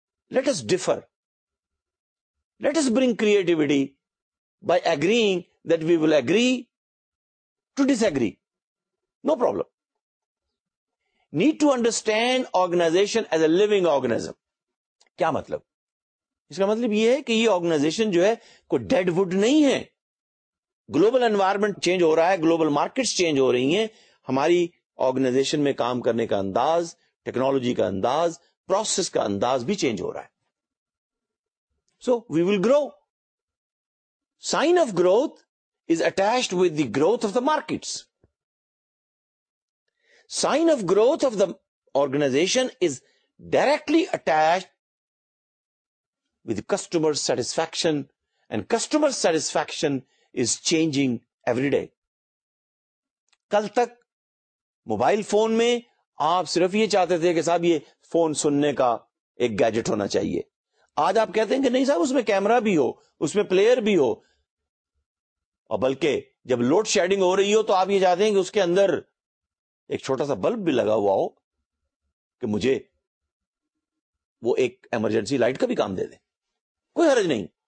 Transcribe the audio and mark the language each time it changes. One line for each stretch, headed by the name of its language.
English: Let us differ, let us bring creativity by agreeing that we will agree to disagree, no problem. Need to understand organization as a living organism.
Urdu: کیا مطلب؟ اس کا مطلب یہ ہے کہ یہ organization جو ہے کوئی ڈیڈ وڈ نہیں ہے. گلوبل انوائرمنٹ چینج ہو رہا ہے, گلوبل مارکیٹس چینج ہو رہی ہیں, ہماری organization میں کام کرنے کا انداز, ٹیکنالوجی کا انداز, پروسیس کا انداز بھی چینج ہو رہا ہے.
English: So we will grow. Sign of growth is attached with the growth of the markets. Sign of growth of the organization is directly attached with customer satisfaction, and customer satisfaction is changing every day.
Urdu: کل تک mobile phone میں آپ صرف یہ چاہتے تھے کہ صاحب یہ فون سننے کا ایک گیجٹ ہونا چاہیے, آج آپ کہتے ہیں کہ نہیں صاحب اس میں کیمرہ بھی ہو, اس میں پلیئر بھی ہو, اور بلکہ جب لوڈ شیڈنگ ہو رہی ہو تو آپ یہ چاہتے ہیں کہ اس کے اندر ایک چھوٹا سا بلب بھی لگا ہوا ہو کہ مجھے وہ ایک ایمرجنسی لائٹ کا بھی کام دے دیں, کوئی حرج نہیں.